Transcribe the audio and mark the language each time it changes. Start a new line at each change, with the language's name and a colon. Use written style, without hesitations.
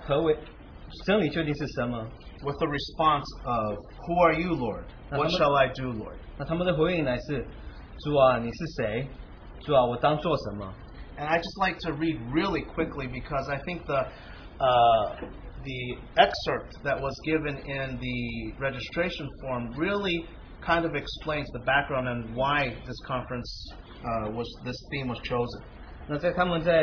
Chinese: 那这次他们大会的真理是，何为真理究竟是什么？
English: With the response of, who are you, Lord? What shall I do, Lord?
Chinese: 那他们的回应乃是，主啊，你是谁？主啊，我当做什么？
English: And I just like to read really quickly because I think the excerpt that was given in the registration form really kind of explains the background and why this conference this theme was chosen.